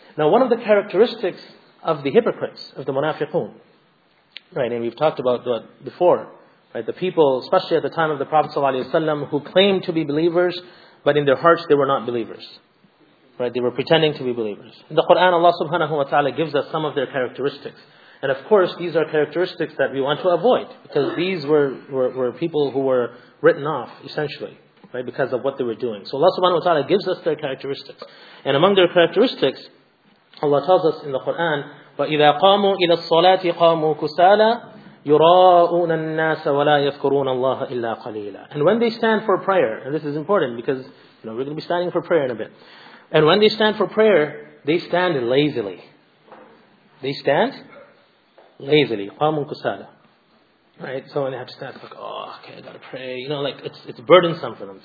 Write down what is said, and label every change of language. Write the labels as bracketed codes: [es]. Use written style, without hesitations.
[en] Now, one of the characteristics of the hypocrites, of the munafiqun, right, and we've talked about that before, right, the people, especially at the time of the Prophet ﷺ, who claimed to be believers, but in their hearts they were not believers. Right, they were pretending to be believers. In the Quran, Allah subhanahu wa ta'ala gives us some of their characteristics. And of course, these are characteristics that we want to avoid, because these were people who were written off, essentially, right, because of what they were doing. So Allah subhanahu wa ta'ala gives us their characteristics. And among their characteristics, Allah tells us in the Quran, [ar] وَإِذَا قَامُوا إِلَى الصَّلَاةِ قَامُوا كُسَالَى يُرَاءُونَ النَّاسَ وَلَا يَذْكُرُونَ اللَّهَ إِلَّا قَلِيلًا. [en] And when they stand for prayer, and this is important because, you know, we're going to be standing for prayer in a bit. And when they stand for prayer, they stand lazily. They stand lazily. [ar] قَامُوا كُسَالَى. [en] Right? So when they have to stand, it's like, oh, okay, I got to pray. You know, like, it's burdensome for them.